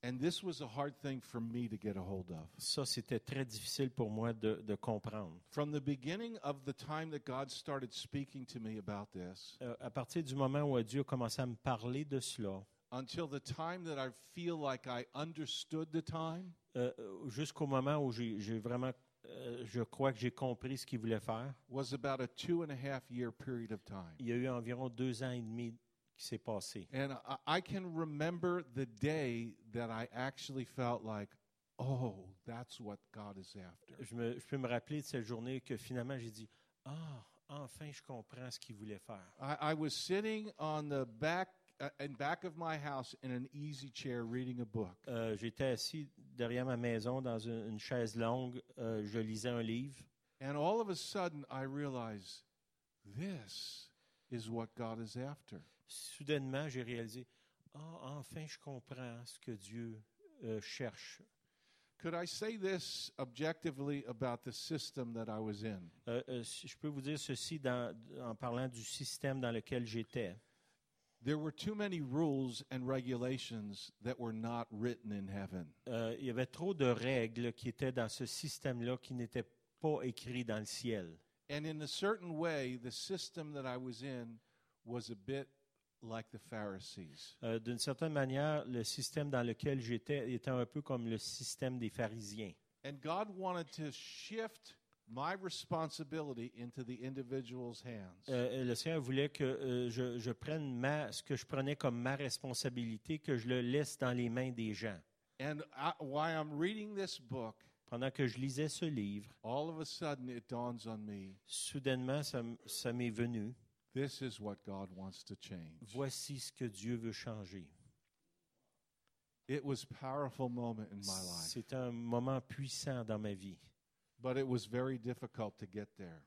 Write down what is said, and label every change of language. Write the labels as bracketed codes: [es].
[en] And this was a hard thing for me to get a hold of. [fr] Ça, c'était très difficile pour moi de comprendre. [en] From the beginning of the time that God started speaking to me about this, [fr] à partir du moment où Dieu a commencé à me parler de cela, [en] until the time that I feel like I understood the time, [fr] jusqu'au moment où j'ai vraiment, je crois que j'ai compris ce qu'il voulait faire, [en] was about a 2.5 year period of time. [fr] Il y a eu environ 2 ans et demi qui s'est passé. [en] And I can remember the day that I actually felt like, oh, that's what God is after. [fr] Je peux me rappeler de cette journée que finalement j'ai dit, ah, oh, enfin je comprends ce qu'il voulait faire. [en] I was sitting on the back. In back of my house, in an easy chair, reading a book. [fr] J'étais assis derrière ma maison dans une chaise longue. Je lisais un livre. [en] And all of a sudden, I realize this is what God is after. [fr] Soudainement, j'ai réalisé, oh, enfin, je comprends ce que Dieu cherche. [en] Could I say this objectively about the system that I was in? [fr] Je peux vous dire ceci en parlant du système dans lequel j'étais. [en] There were too many rules and regulations that were not written in heaven. [fr] Il y avait trop de règles qui étaient dans ce système-là qui n'étaient pas écrites dans le ciel. [en] And in a certain way, the system that I was in was a bit like the Pharisees. [fr] D'une certaine manière, le système dans lequel j'étais était un peu comme le système des pharisiens. [en] And God wanted to shift my responsibility into the individual's hands. [fr] Le Seigneur voulait que je prenne ce que je prenais comme ma responsabilité, que je le laisse dans les mains des gens. [en] And while I'm reading this book, [fr] pendant que je lisais ce livre, [en] all of a sudden it dawns on me. [fr] Soudainement, ça m'est venu. [en] This is what God wants to change. [fr] Voici ce que Dieu veut changer. [en] It was a powerful moment in my life. [fr] C'est un moment puissant dans ma vie. [en] But it was very difficult to get there.